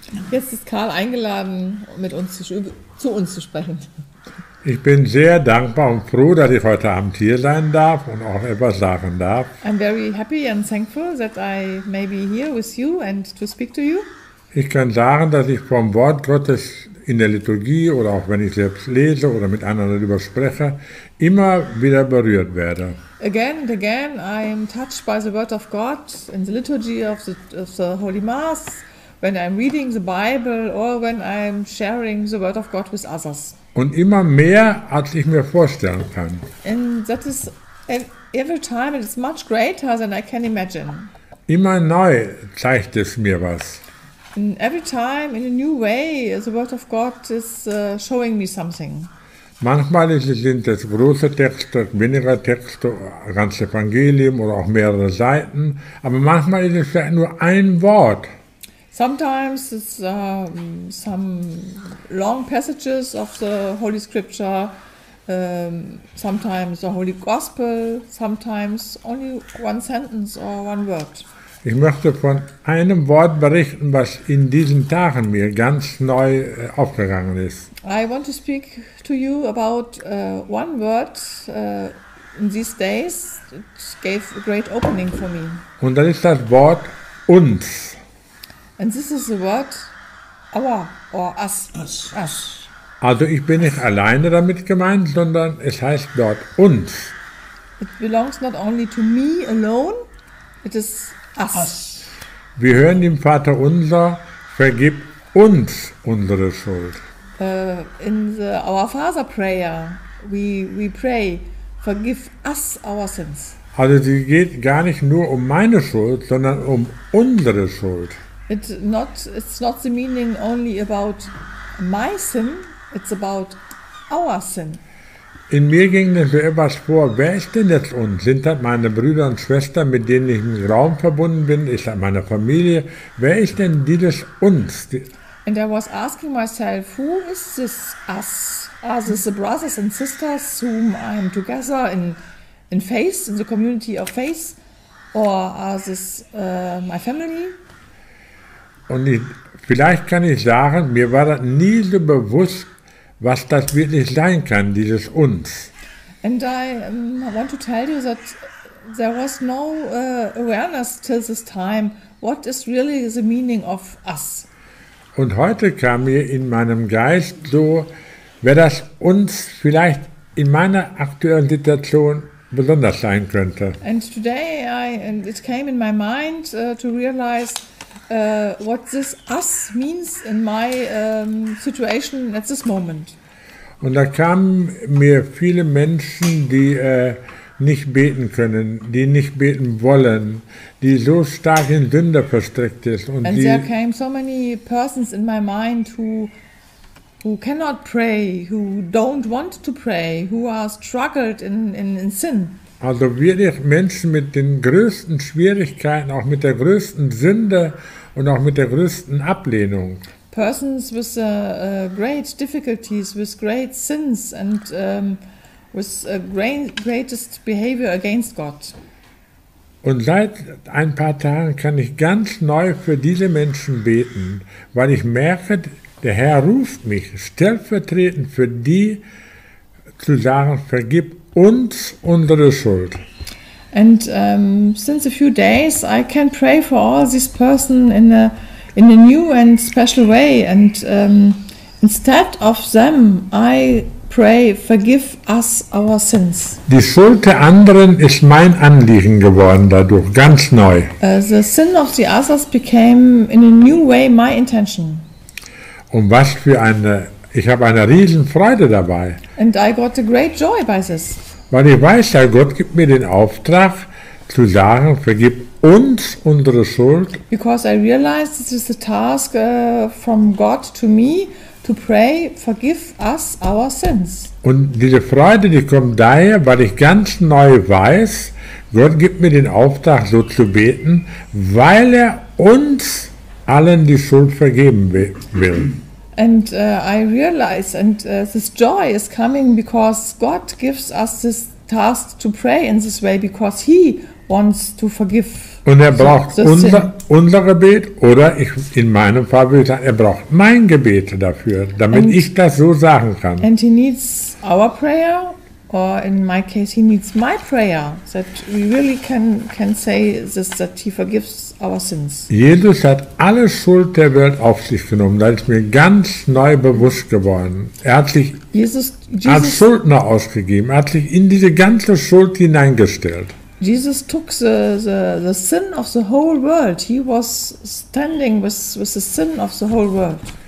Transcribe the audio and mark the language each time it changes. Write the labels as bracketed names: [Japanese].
[German] Jetzt ist Karl eingeladen, mit uns zu uns zu sprechen. Ich bin sehr dankbar und froh, dass ich heute Abend hier sein darf und auch etwas sagen darf. [English] I'm very happy and thankful that I may be here with you and to speak to you. [German] Ich kann sagen, dass ich vom Wort Gottes in der Liturgie oder auch wenn ich selbst lese oder mit anderen darüber spreche, immer wieder berührt werde. [English] Again and again, I'm touched by the word of God in the liturgy of the Holy Mass, when I'm reading the Bible or when I'm sharing the word of God with others. [German] Und immer mehr, als ich mir vorstellen kann. [English] And that is, and every time it is much greater than I can imagine. [German] Immer neu zeigt es mir was. [English] And every time in a new way the word of God is showing me something. [German] Manchmal sind es große Texte, weniger Texte, ganz Evangelium oder auch mehrere Seiten, aber manchmal ist es vielleicht nur ein Wort. [English] Sometimes it's some long passages of the Holy Scripture, sometimes the Holy Gospel, sometimes only one sentence or one word. [German] Ich möchte von einem Wort berichten, was in diesen Tagen mir ganz neu aufgegangen ist. [English] I want to speak to you about one word in these days. It gave a great opening for me. [German] Und das ist das Wort uns. [English] And this is the word our or us. Us. Us. [German] Also ich bin nicht alleine damit gemeint, sondern es heißt dort uns. [English] It belongs not only to me alone, it is us. Us. [German] Wir hören dem Vater unser, vergib uns unsere Schuld. [English] In the Our Father prayer, we pray, forgive us our sins. [German] Also sie geht gar nicht nur um meine Schuld, sondern um unsere Schuld. [English] It's not the meaning only about my sin, it's about our sin. [German] In mir ging mir so etwas vor, wer ist denn jetzt uns? Sind das meine Brüder und Schwestern, mit denen ich im Raum verbunden bin? Ist das meine Familie? Wer ist denn dieses uns? [English] And I was asking myself, who is this us? Are this the brothers and sisters whom I am together in faith, in the community of faith? Or are this my family? [German] Und vielleicht kann ich sagen, mir war das nie so bewusst, was das wirklich sein kann, dieses uns. [English] And I want to tell you that there was no awareness till this time, what is really the meaning of us. [German] Und heute kam mir in meinem Geist so, wer das uns vielleicht in meiner aktuellen Situation besonders sein könnte. [English] And today it came in my mind to realize what this us means in my situation at this moment. [German] Und da kamen mir viele Menschen, die nicht beten können, die nicht beten wollen, die so stark in Sünde verstrickt ist. Und [English] and there came so many persons in my mind who cannot pray, who don't want to pray, who are struggled in sin. [German] Also wirklich Menschen mit den größten Schwierigkeiten, auch mit der größten Sünde und auch mit der größten Ablehnung. [English] Persons with great difficulties, with great sins and with greatest behavior against God. [German] Und seit ein paar Tagen kann ich ganz neu für diese Menschen beten, weil ich merke, der Herr ruft mich stellvertretend für die zu sagen, vergib uns unsere Schuld. [English] And since a few days I can pray for all these persons in a new and special way, and instead of them I pray, forgive us our sins. [German] Die Schuld der anderen ist mein Anliegen geworden dadurch, ganz neu. [English] The sin of the others became in a new way my intention. [German] Und was für eine, ich habe eine riesen Freude dabei. [English] And I got a great joy by this. [German] Weil ich weiß, Herr Gott gibt mir den Auftrag zu sagen, vergib uns unsere Schuld. [English] Because I realize this is the task from God to me to pray, forgive us our sins. [German] Und diese Freude, die kommt daher, weil ich ganz neu weiß, Gott gibt mir den Auftrag, so zu beten, weil er uns allen die Schuld vergeben will. [English] And I realize, and this joy is coming because God gives us this task to pray in this way, because He response to forgive. [German] Und er braucht unser Gebet, oder ich, in meinem Fall würde ich sagen, er braucht mein Gebet dafür, damit ich das so sagen kann. [English] And he needs our prayer, or in my case, he needs my prayer, that we really can say this, that he forgives our sins. [German] Jesus hat alle Schuld der Welt auf sich genommen, das ist mir ganz neu bewusst geworden. Er hat sich als Schuldner ausgegeben, er hat sich in diese ganze Schuld hineingestellt. [English] Jesus took the sin of the whole world. He was standing with the sin of the whole world.